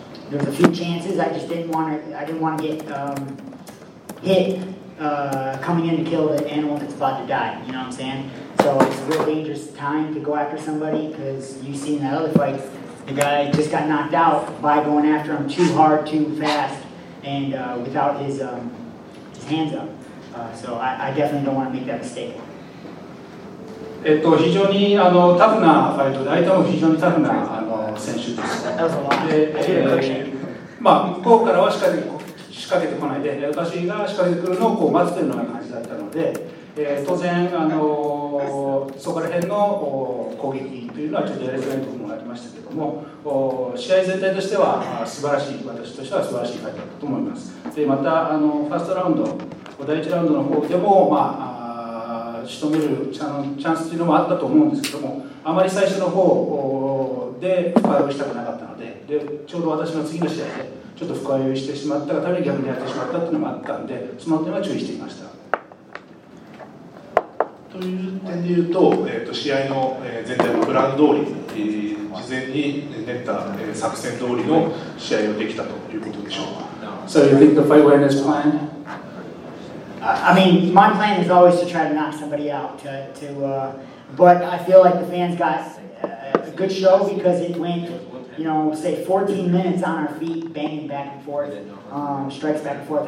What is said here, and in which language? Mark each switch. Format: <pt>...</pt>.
<en>There was a few chances. I just didn't want to, get hit coming in to kill the animal that's about to die. You know what I'm saying? So it's a real dangerous time to go after somebody, because you've seen that other fight. The guy just got knocked out by going after him too hard, too fast, and without his hands up. So I definitely don't want to make that mistake.</en> <ja>非常にあのタフなファイトで、相手も非常にタフなあの選手です。で、まあ、向こうからは仕掛けてこないで、私が仕掛けてくるのをこう待つというような感じだったので、当然あのそこら辺の攻撃というのはちょっとやりづらいところもありましたけども、試合全体としては素晴らしい、私としては素晴らしいファイトだと思います。で、またあのファーストラウンド、第1ラウンドの方でも、まあ仕留めるチャンスというのもあったと思うんですけども、あまり最初の方でファイルをしたくなかったの でちょうど私の次の試合でちょっと深追いしてしまったがために逆にやってしまったというのもあったので、その点は注意していました。という点で言う と試合の全体のプラン通り、事前に練った作戦通りの試合をできたということでしょうか。</ja> <en>So you think the fight went as planned? I mean, my plan is always to try to knock somebody out. But I feel like the fans got a good show, because it went, you know, say 14 minutes on our feet, banging back and forth, strikes back and forth.</en>